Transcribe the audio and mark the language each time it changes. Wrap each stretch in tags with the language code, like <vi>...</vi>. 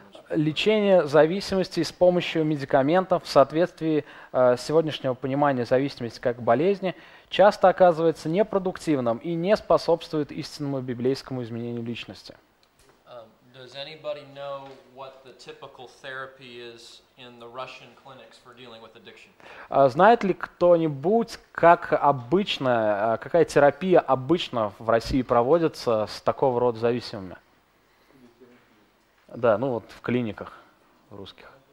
<ru>Лечение зависимости с помощью медикаментов в соответствии с сегодняшнего понимания зависимости как болезни часто оказывается непродуктивным и не способствует истинному библейскому изменению личности.</ru> <en>Does anybody know what the typical therapy is in the Russian clinics for dealing with addiction?</en> <ru>Знает ли кто-нибудь, как обычно, какая терапия обычно в России проводится с такого рода зависимыми? Да, ну вот в клиниках русских.</ru>